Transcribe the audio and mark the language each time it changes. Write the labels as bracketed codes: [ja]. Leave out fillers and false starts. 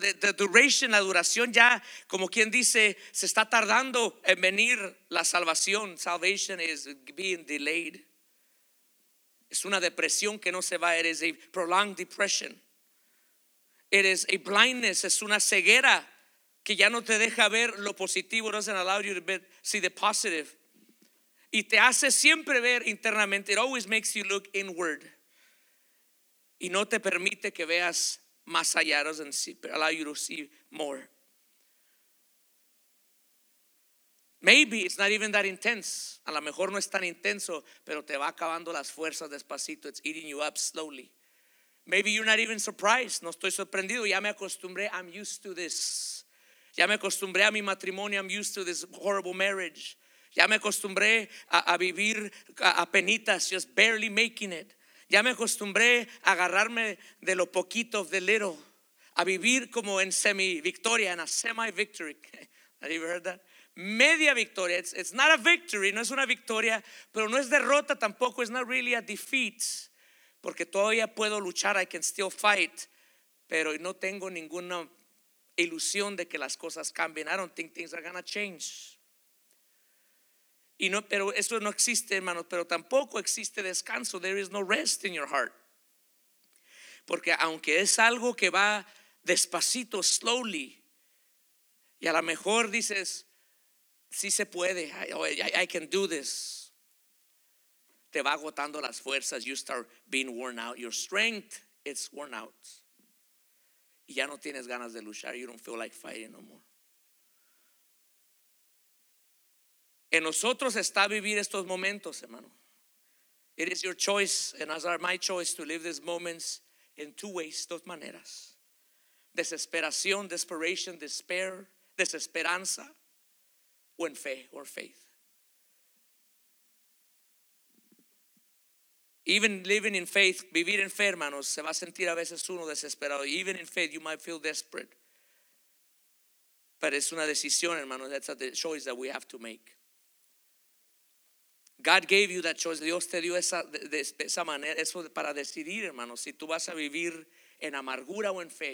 [en] The duration, [es] la duración ya, como quien dice, se está tardando en venir la salvación. [en] Salvation is being delayed. [es] Es una depresión que no se va. [en] It is a prolonged depression. It is a blindness. [es] Es una ceguera que ya no te deja ver lo positivo. [en] It doesn't allow you to see the positive. [es] Y te hace siempre ver internamente. [en] It always makes you look inward. [es] Y no te permite que veas más allá. [en] It doesn't allow you to see more. Maybe it's not even that intense. [es] A lo mejor no es tan intenso, pero te va acabando las fuerzas despacito. [en] It's eating you up slowly. Maybe you're not even surprised. [es] No estoy sorprendido. Ya me acostumbré. [en] I'm used to this. [es] Ya me acostumbré a mi matrimonio. [en] I'm used to this horrible marriage. [es] Ya me acostumbré a vivir a penitas, [en] just barely making it. [es] Ya me acostumbré a agarrarme de lo poquito, [en] of the little, [es] a vivir como en semi-victoria, en [en] a semi-victory. Have you heard that? [es] Media victoria. [en] It's not a victory, [es] no es una victoria, pero no es derrota tampoco. [en] It's not really a defeat, [es] porque todavía puedo luchar. [en] I can still fight, [es] pero no tengo ninguna ilusión de que las cosas cambien. [en] I don't think things are gonna change. [es] Y no, pero eso no existe, hermanos, pero tampoco existe descanso. [en] There is no rest in your heart. [es] Porque aunque es algo que va despacito, slowly, Y a lo mejor dices, sí se puede, [en] I can do this. [es] Te va agotando las fuerzas, [en] you start being worn out. Your strength, it's worn out. [es] Y ya no tienes ganas de luchar, [en] you don't feel like fighting no more. [es] En nosotros está vivir estos momentos, hermano. [en] It is your choice, and as are my choice, to live these moments in two ways, [es] dos maneras. Desesperación, [en] desperation, despair, [es] desesperanza, o en fe, [en] or faith. Even living in faith, [es] vivir en fe, hermanos, se va a sentir a veces uno desesperado. [en] Even in faith, you might feel desperate. [es] Pero es una decisión, hermanos, [en] that's a choice that we have to make. God gave you that choice. [es] Dios te dio esa manera, eso para decidir, hermanos, si tú vas a vivir en amargura o en fe.